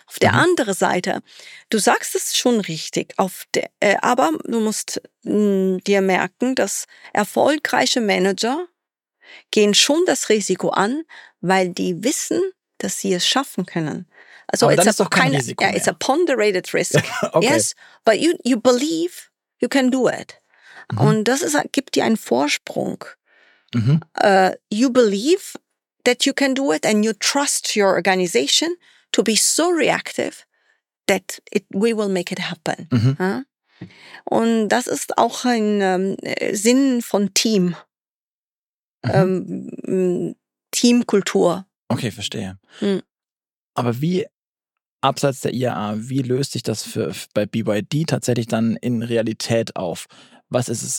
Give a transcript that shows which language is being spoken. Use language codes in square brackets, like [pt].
[de] Auf der anderen Seite, du sagst es schon richtig, aber du musst dir merken, dass erfolgreiche Manager gehen schon das Risiko an, weil die wissen, dass sie es schaffen können. Also aber dann ist doch kein Risiko mehr. [en] It's a ponderated risk. Okay. Yes, but you believe you can do it. [de] Und das ist, gibt dir einen Vorsprung. [en] You believe that you can do it and you trust your organization to be so reactive that we will make it happen. Mhm. [de] Und das ist auch ein Sinn von Team. Mhm. Teamkultur. Okay, verstehe. Aber wie, abseits der IAA, wie löst sich das bei BYD tatsächlich dann in Realität auf? Was ist es?